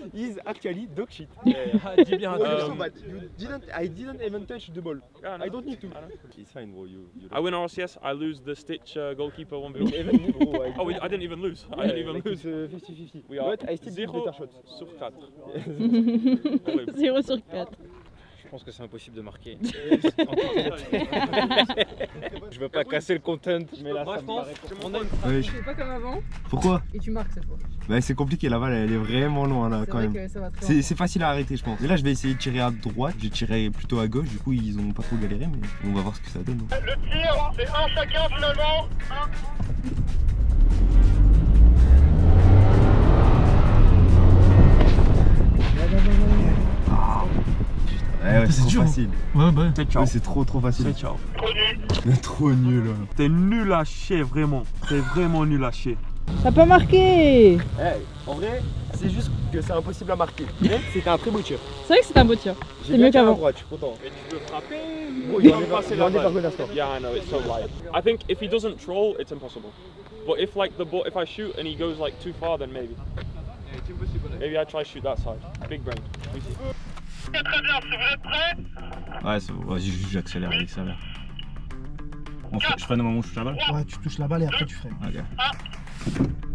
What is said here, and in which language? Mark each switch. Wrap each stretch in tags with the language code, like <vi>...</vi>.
<en>He's actually dog shit. Yeah, yeah. I didn't even touch the ball. Yeah, no. I don't need to. It's fine, bro. You I win RCS, I lose the Stitch goalkeeper 1v1. Oh, I didn't even lose. I didn't even lose. It's 50-50. We are but I still beat better shots.</en> <fr>0 sur 4. 0 sur 4. Je pense que c'est impossible de marquer. Je veux pas casser le content. Mais là, moi, je pense, ouais, je fais pas comme avant. Pourquoi? Et tu marques cette fois. Bah, c'est compliqué, la balle elle est vraiment loin là c'est quand vrai même. Que ça va très c'est facile à arrêter, je pense. Et là, je vais essayer de tirer à droite. J'ai tiré plutôt à gauche, du coup, ils ont pas trop galéré, mais on va voir ce que ça donne. Hein. Le tir, c'est un chacun finalement. C'est trop facile. Ouais, bah. C'est ciao. Ouais, c'est trop facile. C'est ciao. Trop nul. Mais trop nul. T'es nul à chier, vraiment. T'es vraiment nul à chier. Ça peut marquer. Hey, en vrai, c'est juste que c'est impossible à marquer. Mais c'était un très beau tir. C'est vrai que c'était un beau tir. J'ai c'est mieux qu'avant. Droit, je suis content. Mais tu veux frapper? Oui, il va passer la balle.</fr> <en>Yeah, I know, it's so light. I think if he doesn't troll, it's impossible. But if like the ball, if I shoot and he goes like too far, then maybe. Maybe I try shoot that side. Big brain.</en> <fr>Très bien, si vous êtes prêts. Ouais, vas-y, j'accélère avec sa mère. Bon, je freine au moment où je touche la balle. Ouais, tu touches la balle et après tu freines. Okay.</fr>